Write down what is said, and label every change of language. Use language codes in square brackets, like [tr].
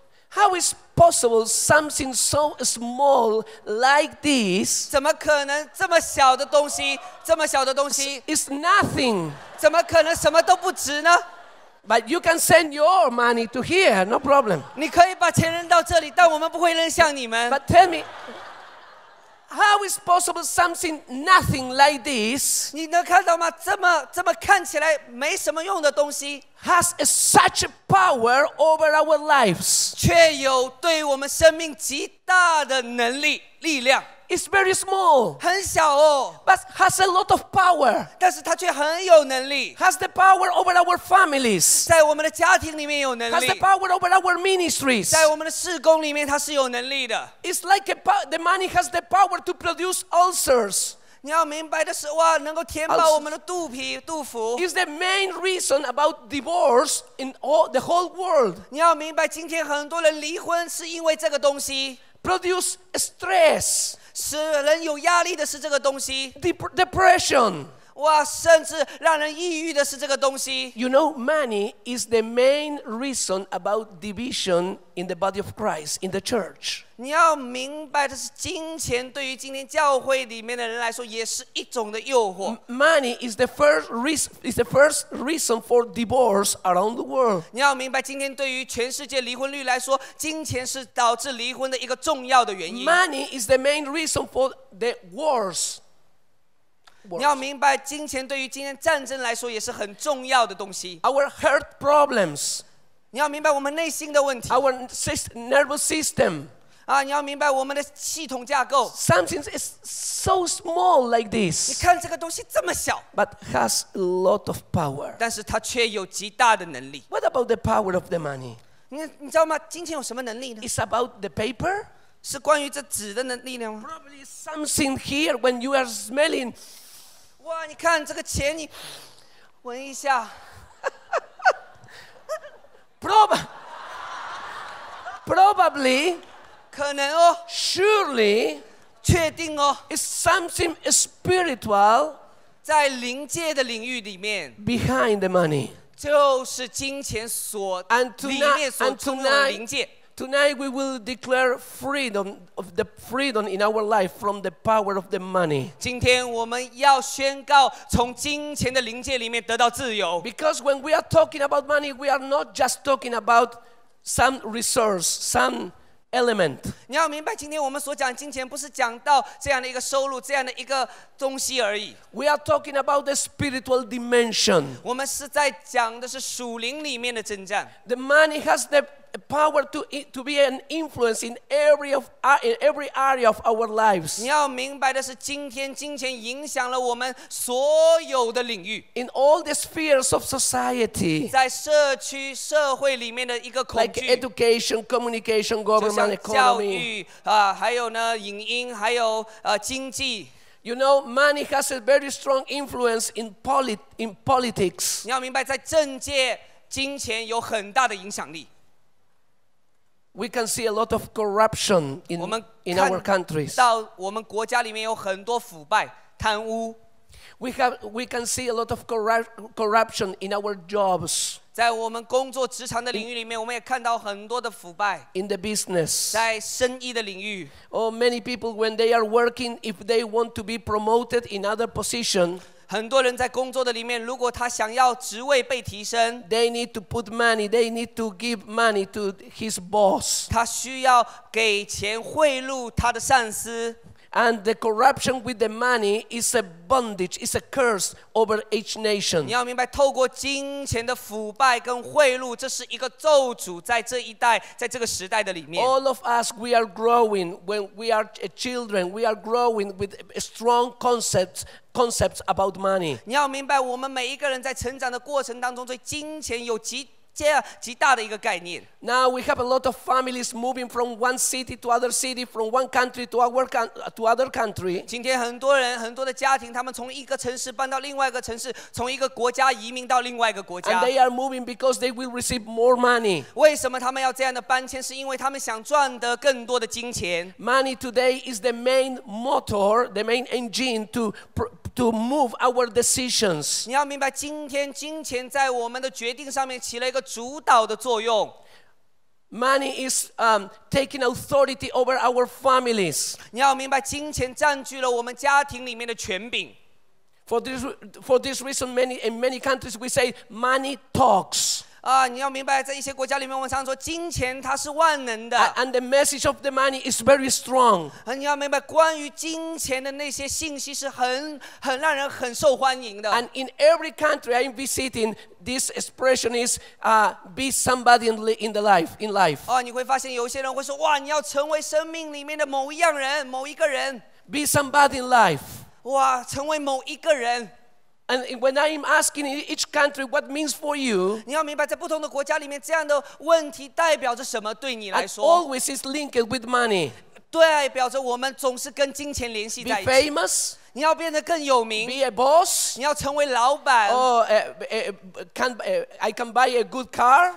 [en] How is possible something so small like this? [zh] 怎么可能这么小的东西，这么小的东西 [en] is nothing. [zh] 怎么可能什么都不值呢？ [en] But you can send your money to here, no problem. [zh] 你可以把钱扔到这里，但我们不会扔向你们。 [en] But tell me, how is possible something nothing like this? [zh] 你能看到吗？这么看起来没什么用的东西 [en] ，has such a power over our lives. [zh] 却有对我们生命极大的能力力量。 [en] It's very small, [zh] 很小哦 [en] but has a lot of power. [zh] 但是它却很有能力 [en] has the power over our families. [zh] 在我们的家庭里面有能力 [en] has the power over our ministries. [zh] 在我们的事工里面它是有能力的 [en] It's like the money has the power to produce ulcers. [zh] 你要明白的是哇，能够填饱我们的肚皮肚腹 [en] It's the main reason about divorce in all, the whole world. [zh] 你要明白今天很多人离婚是因为这个东西 [en] produce stress. [zh] 使人有压力的是这个东西 [en] Depression [zh] 哇甚至让人抑郁的是这个东西 [en] You know money is the main reason about division in the body of Christ in the church [zh] 你要明白的是金钱对于今天教会里面的人来说也是一种的诱惑 [en] Money is the first reason, is the first reason for divorce around the world [zh] 你要明白今天对于全世界离婚率来说金钱是导致离婚的一个重要的原因 [en] Money is the main reason for the wars [zh] 你要明白金钱对于今天战争来说也是很重要的东西 [en] Our heart problems [zh] 你要明白我们内心的问题 [en] Our nervous system [zh] 啊，你要明白我们的系统架构 [en] Something is so small like this [zh] 你看这个东西这么小 [en] But has a lot of power [zh] 但是它却有极大的能力 [en] What about the power of the money? [zh] 你知道吗金钱有什么能力呢 [en] It's about the paper [zh] 是关于这纸的能力呢 [en] Probably something here when you are smelling [zh] 哇你看这个钱你闻一下 [en] Probably [zh] 可能哦 [en] Surely [zh] 确定哦 [en] It's something spiritual [zh] 在灵界的领域里面 [en] Behind the money [zh] 就是金钱所 [en] and tonight, [zh] 里面所充满的灵界 [en] Tonight we will declare freedom of the freedom in our life from the power of the money. [zh] 今天我们要宣告从金钱的灵界里面得到自由。 [en] Because when we are talking about money, we are not just talking about some resource, some element. [zh] 你要明白，今天我们所讲金钱不是讲到这样的一个收入，这样的一个东西而已。 [en] We are talking about the spiritual dimension. [zh] 我们是在讲的是属灵里面的征战。 [en] The money has the power to be an influence in every area of our lives. [zh] 你要明白的是，今天金钱影响了我们所有的领域。 [en] In all the spheres of society. [zh] 在社区社会里面的一个恐惧。 [en] Like education, communication, government, economy. [zh] 教育啊，还有呢，影音，还有经济。 [en] You know, money has a very strong influence in politics. [zh] 你要明白，在政界，金钱有很大的影响力。 [en] We can see a lot of corruption in our countries. [zh] 到我们国家里面有很多腐败、贪污。 [en] We can see a lot of corruption in our jobs. [zh] 在我们工作职场的领域里面，我们也看到很多的腐败。 [en] In the business. [zh] 在生意的领域。 [en] Oh, many people when they are working, if they want to be promoted in other position. [zh] 很多人在工作的里面，如果他想要职位被提升 [en] ，they need to put money, they need to give money to his boss. [zh] 他需要给钱贿赂他的上司。 [en] And the corruption with the money is a bondage, is a curse over each nation. [zh] 你要明白，透过金钱的腐败跟贿赂，这是一个咒诅在这一代，在这个时代的里面。 [en] All of us, we are growing when we are children. We are growing with strong concepts about money. [zh] 你要明白，我们每一个人在成长的过程当中，对金钱有极大的一个概念。 [en] Now we have a lot of families moving from one city, from one country to other country. [zh] 今天很多人，很多的家庭，他们从一个城市搬到另外一个城市，从一个国家移民到另外一个国家。 [en] And they are moving because they will receive more money. [zh] 为什么他们要这样的搬迁？是因为他们想赚得更多的金钱。 [en] Money today is the main motor, the main engine to move our decisions. [zh] 你要明白，今天金钱在我们的决定上面起了一个主导的作用。 [en] Money is taking authority over our families. [zh] 你要明白，金钱占据了我们家庭里面的权柄。 [en] For this reason, many in many countries we say money talks. [zh] 你要明白，在一些国家里面，我们常说金钱它是万能的。 [en] And the message of the money is very strong。 [zh] 你要明白，关于金钱的那些信息是很让人很受欢迎的。 [en] And in every country I'm visiting, this expression is, be somebody in life。 [zh] 你会发现有些人会说，哇，你要成为生命里面的某一样人，某一个人。 [en] Be somebody in life。 [zh] 哇，成为某一个人。 [en] And when I'm asking in each country what means for you, [zh] 你要明白在不同的国家里面这样的问题代表着什么对你来说。 [en] Always is linked with money. [zh] 对，表着我们总是跟金钱联系在一起。 [en] Be famous. [zh] 你要变得更有名。 [en] Be a boss. [zh] 你要成为老板。 [en] Oh, I can buy a good car.